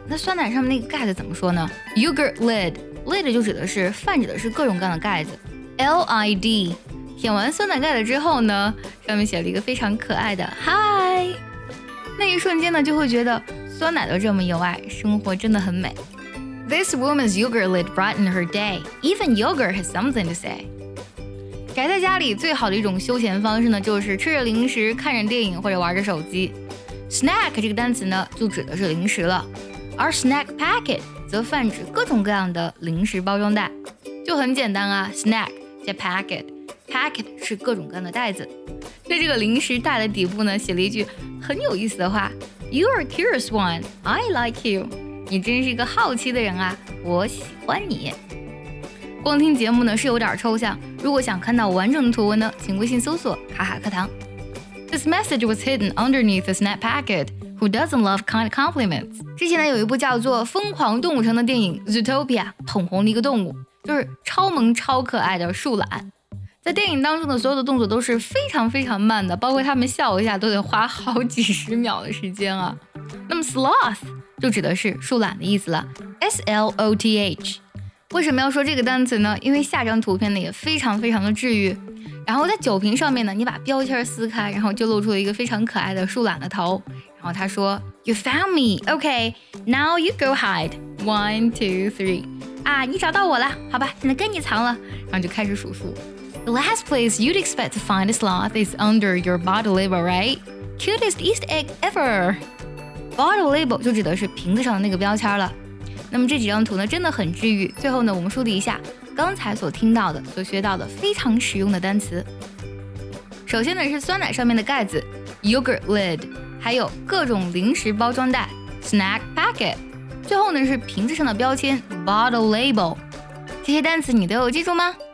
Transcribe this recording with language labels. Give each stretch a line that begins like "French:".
Chinese: 那酸奶上面那个盖子怎么说呢 ？Yogurt lid。Lid 就指的是泛指的是各种各样的盖子 ，LID。舔完酸奶盖子之后呢，上面写了一个非常可爱的 Hi。那一瞬间呢，就会觉得酸奶都这么有爱，生活真的很美。
English: This woman's yogurt lid brightened her day. Even yogurt has something to say.
Chinese: 宅在家里最好的一种休闲方式呢，就是吃着零食、看着电影或者玩着手机。 Snack 这个单词呢，就指的是零食了，而 snack packet。则泛指各种各样的零食包装袋，就很简单啊 ，snack 加 packet 是各种各样的袋子。在这个零食袋的底部呢，写了一句很有意思的话 ：
English: “You are a curious one, I like you。”
Chinese: 你真是一个好奇的人啊，我喜欢你。光听节目呢是有点抽象，如果想看到完整的图文呢，请微信搜索“卡卡课堂”。
English: This message was hidden underneath the snack packet. Who doesn't love kind compliments?
Chinese: 之前呢有一部叫做《疯狂动物城》的电影 Zootopia 捧红了一个动物，就是超萌超可爱的树懒。在电影当中的所有的动作都是非常非常慢的，包括他们笑一下都得花好几十秒的时间啊。那么 sloth 就指的是树懒的意思了 ，sloth。为什么要说这个单词呢？因为下张图片呢也非常非常的治愈。然后在酒瓶上面呢，你把标签撕开，然后就露出了一个非常可爱的树懒的头。然后他说
English: ：“You found me, OK? Now you go hide.
Chinese: 1, 2, 3. 啊，你找到我了，好吧，现在跟你藏了。” 然后就开始数数。
English: The last place you'd expect to find a sloth is under your bottle label, right? Cutest Easter egg ever.
Chinese: Bottle label 就指的是瓶子上的那个标签了。那么这几张图呢，真的很治愈。最后呢，我们梳理一下。刚才所听到的、所学到的非常实用的单词，首先呢是酸奶上面的盖子 ，yogurt lid， 还有各种零食包装袋 ，snack packet， 最后呢是瓶子上的标签 ，bottle label。这些单词你都有记住吗？